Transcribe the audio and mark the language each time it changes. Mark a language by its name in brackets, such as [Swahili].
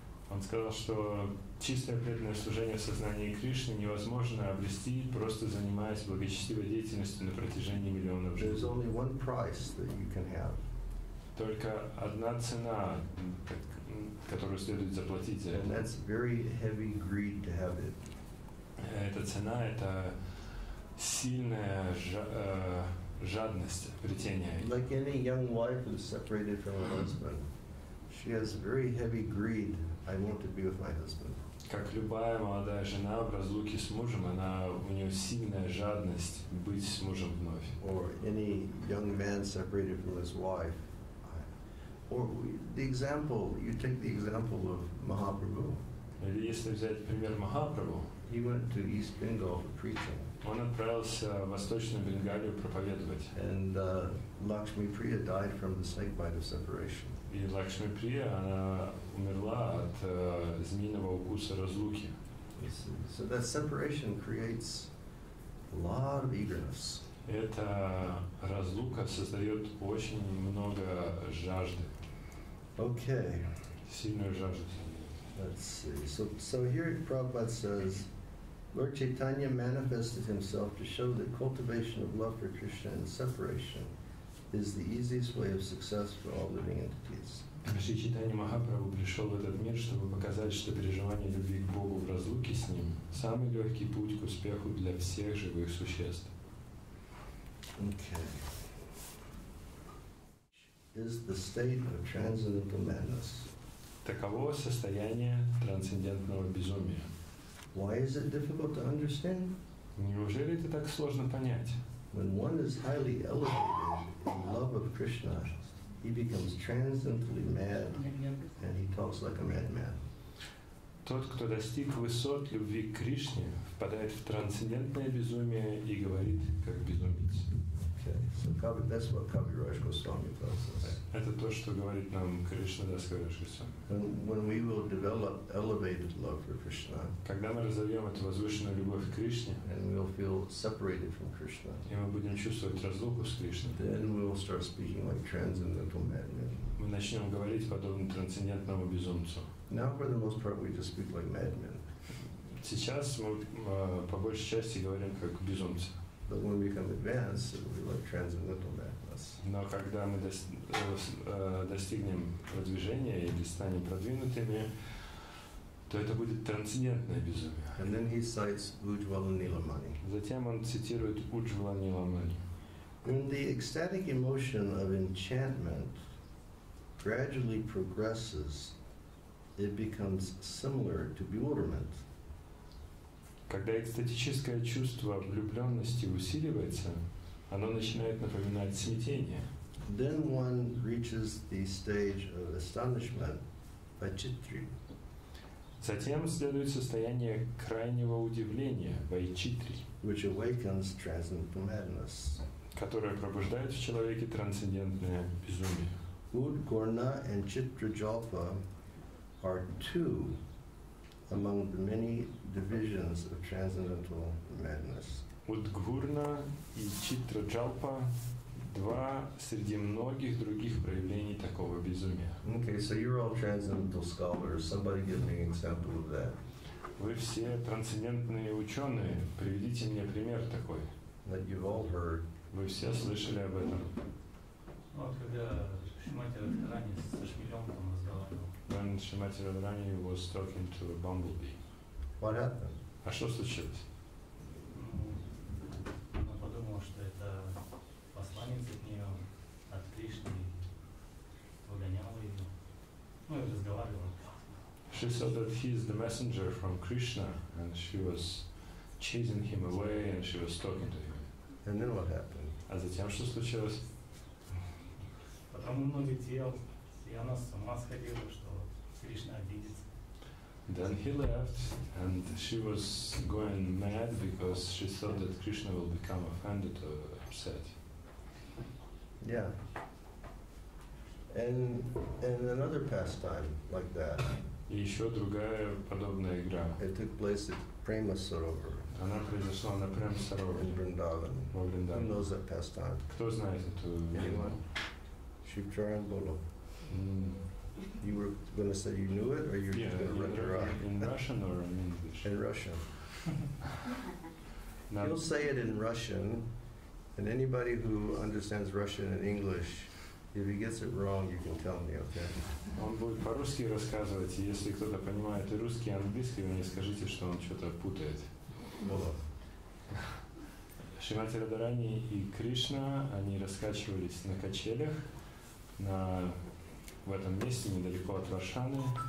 [Russian] Он сказал, что чистое преданное служение сознания Кришны невозможно обрести, просто занимаясь благочестивой деятельностью на протяжении миллионов жизней. [English] There's only one price that you can have. [Russian] Только одна цена, которую следует заплатить за это. [English] And that's very heavy greed to have it. [Russian] Эта цена – это сильная жадность, обретение. [English] Like any young wife who's separated from her husband, she has very heavy greed. I want to be with my husband. [Russian] Как любая молодая жена в разлуке с мужем, она у нее сильная жадность быть с мужем вновь. [English] Or any young man separated from his wife. Or the example, you take the example of Mahaprabhu. [Russian] Или если взять пример Махапрабху. [English] He went to East Bengal for preaching. [Russian] Он отправился в Восточную Бенгалию проповедовать. [English] And Lakshmi Priya died from the snake bite of separation. [Russian] И Лакшми Прия, она умерла от змеиного укуса разлуки. [English] So that separation creates a lot of eagerness. [Russian] Эта разлука создает очень много жажды. [English] Okay. [Russian] Сильную жажду. [English] Let's see. So here Prabhupada says, Lord Chaitanya manifested himself to show that cultivation of love for Krishna and separation is the easiest way of success for all living entities. [Russian] Шри Чайтанья Махапрабху пришел в этот мир, чтобы показать, что переживание любви к Богу в разлуке с Ним – самый легкий путь к успеху для всех живых существ. [English] Okay. Is the state of transcendental madness. [Russian] Таково состояние трансцендентного безумия. [English] Why is it difficult to understand? [Russian] Неужели это так сложно понять? [English] When one is highly elevated in love of Krishna, he becomes transcendently mad, and he talks like a madman. [Russian] Тот, кто достиг высот любви к Кришне, впадает в трансцендентное безумие и говорит как безумец. [English] Okay. So that's what Kaviraj Goswami tells us. [Russian] Это то, что говорит нам Кришна Дас Кавираж Госвами. [English] When we will develop elevated love for Krishna, [Russian] когда мы разовьем эту возвышенную любовь к Кришне, [English] and we'll feel separated from Krishna, [Russian] и мы будем чувствовать разлуку с Кришной, [English] then we'll start speaking like transcendental madmen. [Russian] Мы начнем говорить подобно трансцендентному безумцу. [English] Now, for the most part, we just speak like madmen. [Russian] Сейчас мы по большей части говорим как безумцы. [English] But when we become advanced, it will be like transcendental madness. [Russian] Но когда мы достигнем продвижения или станем продвинутыми, то это будет трансцендентное безумие. [English] And then he cites Ujjvala Nilamani. [Russian] Затем он цитирует Ujjvala Nilamani. [English] When the ecstatic emotion of enchantment gradually progresses, it becomes similar to bewilderment. [Russian] Когда экстатическое чувство влюбленности усиливается, оно начинает напоминать смятение. [English] Then one reaches the stage of astonishment, vaichitri. [Russian] Затем следует состояние крайнего удивления, vaichitri, [English] which awakens transcendental madness, [Russian] которое пробуждает в человеке трансцендентное безумие. [English] Udgorna and Chitrajalpa are two among the many divisions of transcendental madness. [Russian] Удгурна и Читраджалпа – два среди многих других проявлений такого безумия. [English] Okay, so you're all transcendental scholars. Somebody give me an example of that. [Russian] Вы все трансцендентные ученые. Приведите мне пример такой. [English] That you've all heard. [Russian] Вы все слышали об этом. Вот когда Шимати Радхарани со Шмелёнком разговаривал. [English] When Шимати Радхарани was talking to a bumblebee. What happened? [Russian] А что случилось? Она подумала, что это посланец от нее, от Кришны, выгонял ее. Ну, и разговаривала. [English] She saw that he is the messenger from Krishna, and she was chasing him away, and she was talking to him. And then what happened? [Russian] А затем что случилось? Потом он улетел, и она с ума сходила, что Кришна обидится. [English] Then he left, and she was going mad because she thought that Krishna will become offended or upset. Yeah. And another pastime like that. [Russian] И еще другая подобная игра. [English] It took place at Prema Sarovar. [Russian] Она произошла на Prema Sarovar. [English] In Vrindavan. [Russian] Во Вриндаване. [English] Who knows that pastime? [Russian] Кто знает эту игру? [English] Shiv Charanbolo. You were going to say you knew it, or you're going to render it in Russian or in English? In Russian. You'll say it in Russian, and anybody who understands Russian and English, if he gets it wrong, you can tell me, okay? [Russian] Он будет по-русски рассказывать, и если кто-то понимает и русский, и английский, вы мне скажите, что он что-то путает. Шримати Радарани и Кришна, они раскачивались на качелях в этом месте, недалеко от Варшаны.